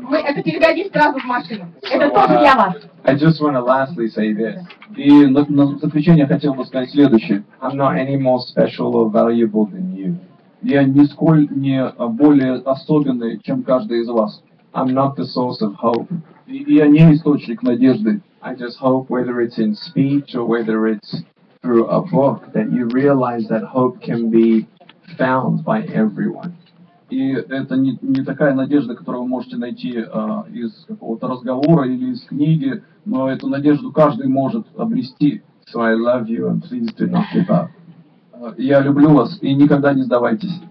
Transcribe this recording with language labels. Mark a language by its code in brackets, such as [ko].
[ru] Мы это передадим сразу в машину. Это тоже для вас. [en] I just want to lastly say this. [ru] И на заключение я хотел бы сказать следующее. [en] I'm not any more special or valuable than you. [ru] Я нисколько не более особенный, чем каждый из вас. [en] I'm not the source of hope. [ru] И я не источник надежды. [en] I just hope, whether it's in speech or whether it's through a book, that you realize that hope can be found by everyone. [ru] И это не такая надежда, которую вы можете найти из какого-то разговора или из книги, но эту надежду каждый может обрести. [en] So I love you and please do not give up. [ru] Я люблю вас и никогда не сдавайтесь.